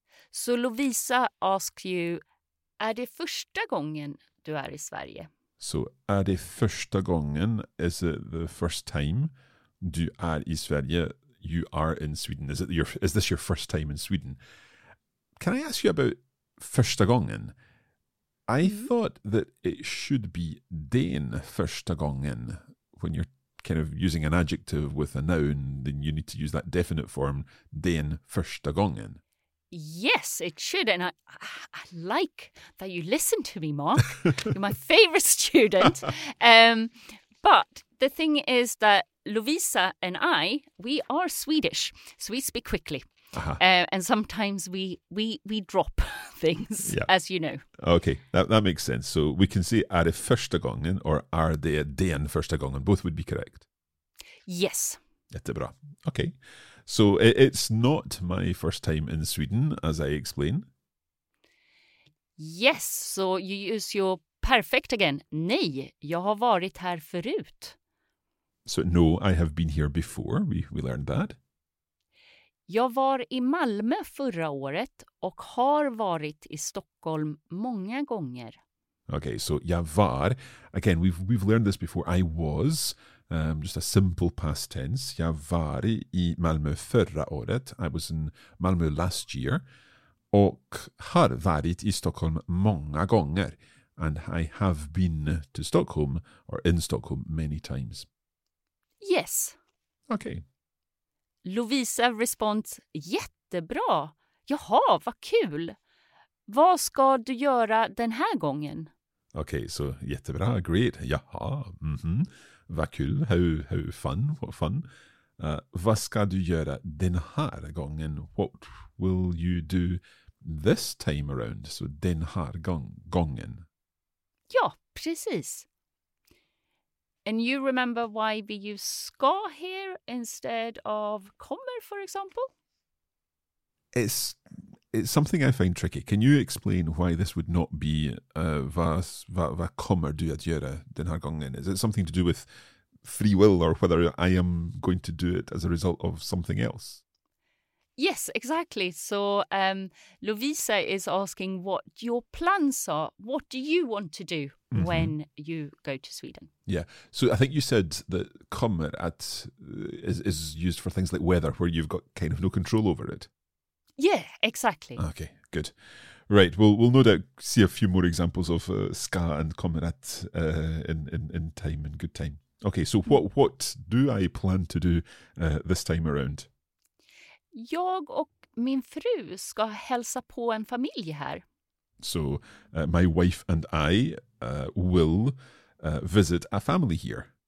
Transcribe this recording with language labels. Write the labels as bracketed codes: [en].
[en] So, Lovisa asks you, [sv] är det första gången du är I Sverige? [en] So, [sv] är det första gången, [en] is it the first time [sv] du är I Sverige, [en] you are in Sweden? Is this your first time in Sweden? Can I ask you about [sv] första gången? [en] I thought that it should be [sv] den första gången. [en] When you're kind of using an adjective with a noun, then you need to use that definite form, [sv] den första gången. [en] Yes, it should. And I like that you listen to me, Mark. You're my favorite student. But the thing is that Lovisa and I, we are Swedish, so we speak quickly. And sometimes we drop things, as you know. Okay, that makes sense. So we can say, [sv] är det första gången [en] or [sv] är det den första gången? [en] Both would be correct. Yes. [sv] Jättebra. Okay. [en] So it's not my first time in Sweden, as I explain. Yes, so you use your perfect again. [sv] Nej, jag har varit här förut. [en] So no, I have been here before. We learned that. [sv] Jag var I Malmö förra året och har varit I Stockholm många gånger. [en] Okay, so [sv] jag var. [en] Again, we've learned this before. I was. Just a simple past tense. [sv] Jag var i Malmö förra året. [en] I was in Malmö last year. [sv] Och har varit i Stockholm många gånger. [en] And I have been to Stockholm or in Stockholm many times. Yes. Okay. Lovisa responds, [sv] jättebra. Jaha, vad kul. Vad ska du göra den här gången? [en] Okay, so [sv] jättebra, [en] great. [sv] Jaha, vad kul, [en] how fun, what fun. [sv] Vad ska du göra den här gången? [en] What will you do this time around? So [sv] den här gången. Ja, precis. [en] And you remember why we use ska here instead of kommer, for example? It's something I find tricky. Can you explain why this would not be [sv] vad kommer du att göra den här gången? [en] Is it something to do with free will or whether I am going to do it as a result of something else? Yes, exactly. So Lovisa is asking what your plans are. What do you want to do when you go to Sweden? Yeah. So I think you said that kommer at is used for things like weather, where you've got kind of no control over it. Yeah, exactly. Okay, good. Right, we'll no doubt see a few more examples of ska and kommer at in time, in good time. Okay, so what do I plan to do this time around? [sv] Jag och min fru ska hälsa på en familj här. [en] So, my wife and I will visit a family here.